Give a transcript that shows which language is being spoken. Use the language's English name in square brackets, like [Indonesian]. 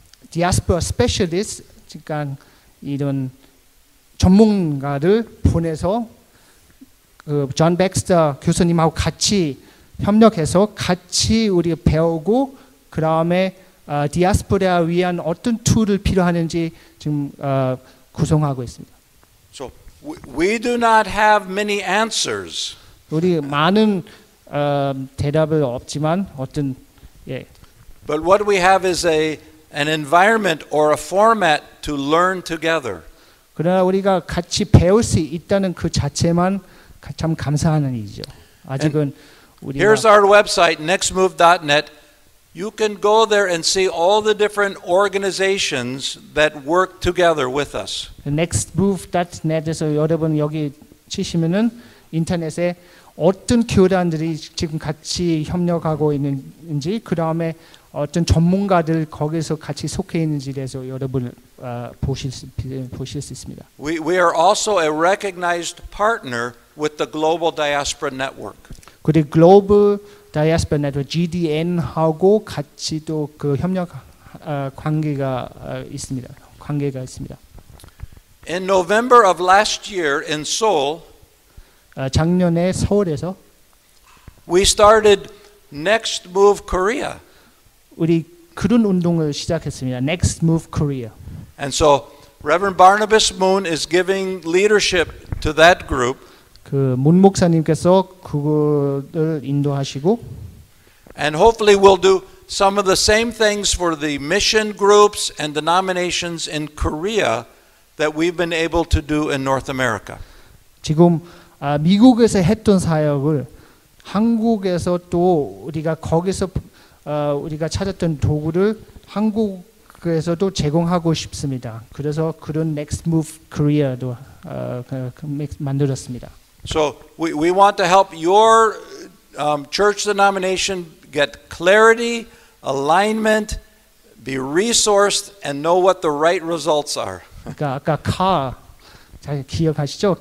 [English] diaspora specialist [Korean] 그러니까 이런 전문가를 보내서 그 존 백스터 교수님하고 같이 협력해서 같이 우리 배우고 그 다음에 디아스포라 위한 어떤 툴을 필요하는지 지금 구성하고 있습니다. [English] So we do not have many answers. [Korean] 우리 많은 대답을 없지만 어떤 예. [English] But what we have is an environment or a format to learn together. [Korean] 그러나 우리가 같이 배울 수 있다는 그 자체만 참 감사하는 일이죠. 아직은 우리가 [English] Here's our website nextmove.net. You can go there and see all the different organizations that work together with us. [Korean] nextmove.net에서 여러분 여기 치시면은 인터넷에 어떤 교단들이 지금 같이 협력하고 있는지 그다음에 어떤 전문가들 거기서 같이 속해 있는지에 대해서 여러분 보실 수 있습니다. [English] We are also a recognized partner with the Global Diaspora Network. [Korean] 그리고 Global Diaspora Network GDN하고 같이 또 그 협력 관계가 있습니다. 관계가 있습니다. [English] In November of last year in Seoul, [Korean] 작년에 서울에서 [English] we started Next Move Korea. [Korean] 우리 그런 운동을 시작했습니다. [English] Next Move Korea. And so Reverend Barnabas Moon is giving leadership to that group. [Korean] 그 문 목사님께서 그거를 인도하시고 [English] And hopefully we'll do some of the same things for the mission groups and denominations in Korea that we've been able to do in North America. [Korean] 지금 미국에서 했던 사역을 한국에서 또 우리가 거기서 우리가 찾았던 도구를 한국에서도 제공하고 싶습니다. 그래서 그런 Next Move Korea도 만들었습니다. [English] So we want to help your church denomination get clarity, alignment, be resourced, and know what the right results are. [Korean] 그러니까 아까 car 잘 기억하시죠?